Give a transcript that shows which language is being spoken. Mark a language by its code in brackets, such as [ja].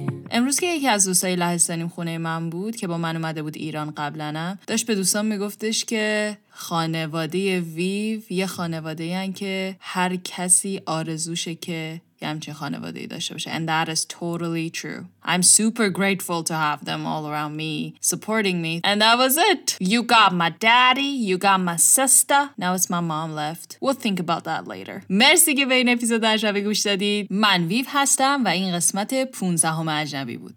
[fa] امروز که یکی از دوستای لهستانیم خونه من بود که با من اومده بود ایران قبلنم، داشت به دوستان میگفتش که خانواده ویو یه خانواده این که هر کسی آرزوشه که یه همچین خانواده‌ای داشته باشه. [en] And that is totally true. I'm super grateful to have them all around me, supporting me. And that was it. You got my daddy, you got my sister. Now it's my mom left. We'll think about that later. [fa] مرسی که به این اپیزود عجبی گوش دادید. من ویو هستم و این قسمت 15 عجبی بود.